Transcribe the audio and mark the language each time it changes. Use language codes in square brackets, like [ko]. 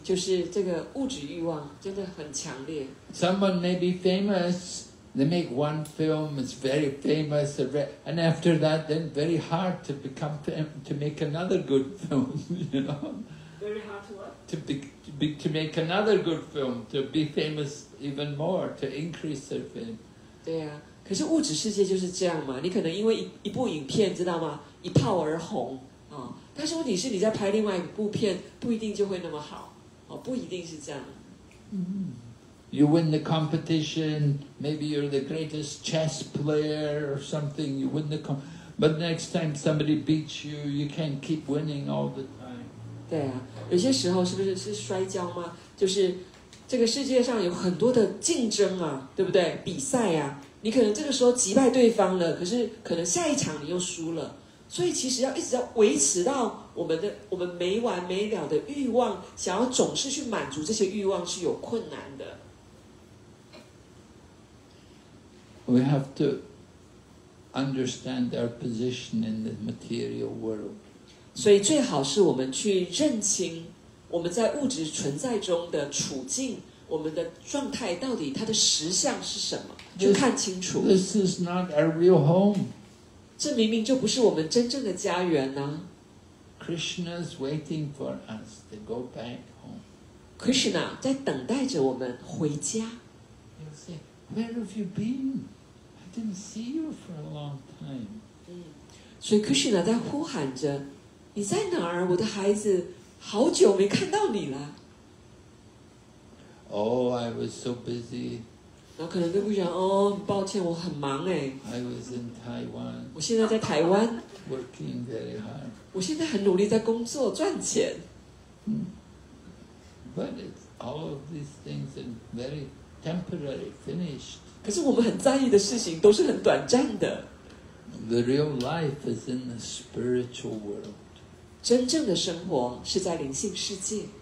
[zh] 就是这个物质欲望真的很强烈。 [en] Someone may be famous. They make one film, it's very famous, and after that, then very hard to become, to make another good film, you know? Very hard to what? To make another good film, to be famous even more, to increase their fame. [zh] 对啊，可是物质世界就是这样嘛，你可能因为 一部影片，知道吗？一炮而红，但是问题是你在拍另外一部片，不一定就会那么好，不一定是这样。 [en] You win the competition, maybe you're the greatest chess player or something, you win the competition. But next time somebody beats you, you can't keep winning all the time. [zh] 对啊，有些时候是不是是摔跤吗？就是这个世界上有很多的竞争啊，对不对？比赛啊，你可能这个时候击败对方了，可是可能下一场你又输了。所以其实要一直要维持到我们没完没了的欲望，想要总是去满足这些欲望是有困难的。 [en] We have to understand our position in the material world. [zh] 所以最好是我们去认清我们在物质存在中的处境，我们的状态到底它的实相是什么，就看清楚。 [en] This is not our real home. [zh] 这明明就不是我们真正的家园呢。 [en] Krishna's waiting for us to go back home. [zh] Krishna 在等待着我们回家。 [en] He'll say, "Where have you been?" Didn't see you for a long time. [zh] 所以 Krishna 在呼喊着，你在哪儿，我的孩子？好久没看到你了。 [en] Oh, I was so busy. [zh] 然后可能对不起，哦，抱歉，我很忙哎。 [en] I was in Taiwan. [zh] 我现在在台湾。 [en] Working very hard. [zh] 我现在很努力在工作赚钱。 [en] But it's all of these things are very temporary, finished. [zh] 可是我们很在意的事情都是很短暂的。 [en] The real life is in the spiritual world. [zh] 真正的生活是在灵性世界。